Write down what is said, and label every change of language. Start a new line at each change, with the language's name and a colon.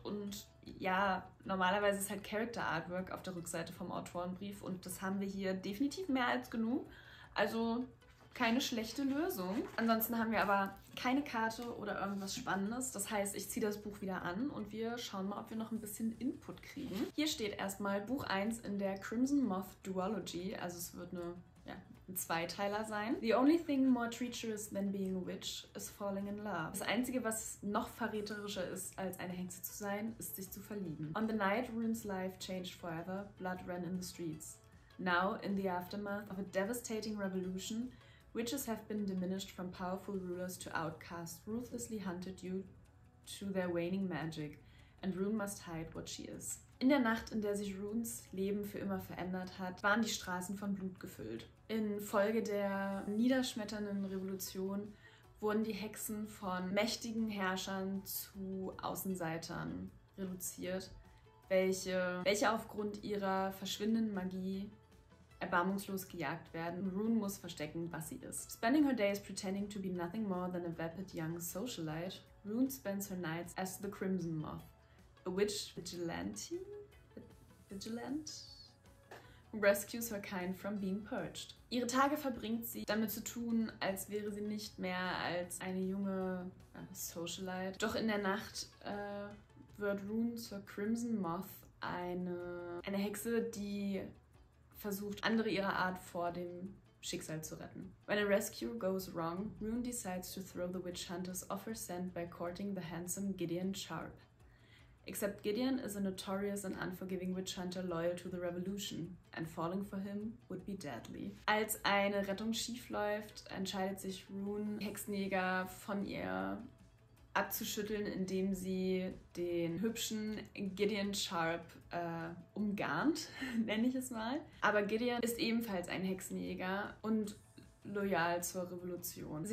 German: Und ja, normalerweise ist halt Character Artwork auf der Rückseite vom Autorenbrief und das haben wir hier definitiv mehr als genug. Also keine schlechte Lösung. Ansonsten haben wir aber keine Karte oder irgendwas Spannendes. Das heißt, ich ziehe das Buch wieder an und wir schauen mal, ob wir noch ein bisschen Input kriegen. Hier steht erstmal Buch 1 in der Crimson Moth Duology. Also es wird ein Zweiteiler sein.
English: The only thing more treacherous than being a witch is falling in love.
German: Das Einzige, was noch verräterischer ist, als eine Hexe zu sein, ist sich zu verlieben.
English: On the night Rune's life changed forever, blood ran in the streets. Now, in the aftermath of a devastating revolution, witches have been diminished from powerful rulers to outcasts, ruthlessly hunted due to their waning magic, and Rune must hide what she is.
German: In der Nacht, in der sich Runes Leben für immer verändert hat, waren die Straßen von Blut gefüllt. Infolge der niederschmetternden Revolution wurden die Hexen von mächtigen Herrschern zu Außenseitern reduziert, welche aufgrund ihrer verschwindenden Magie erbarmungslos gejagt werden. Rune muss verstecken, was sie ist.
English: Spending her days pretending to be nothing more than a vapid young socialite, Rune spends her nights as the Crimson Moth, a witch vigilante? Vigilant? Rescues her kind from being purged.
German: Ihre Tage verbringt sie damit zu tun, als wäre sie nicht mehr als eine junge Socialite. Doch in der Nacht wird Rune zur Crimson Moth, eine Hexe, die versucht, andere ihrer Art vor dem Schicksal zu retten.
English: When a rescue goes wrong, Rune decides to throw the witch hunters off her scent by courting the handsome Gideon Sharp. Except Gideon is a notorious and unforgiving witch hunter loyal to the revolution, and falling for him would be deadly.
German: Als eine Rettung schiefläuft, entscheidet sich Rune, Hexenjäger von ihr abzuschütteln, indem sie den hübschen Gideon Sharp umgarnt, nenne ich es mal. Aber Gideon ist ebenfalls ein Hexenjäger und loyal zur Revolution.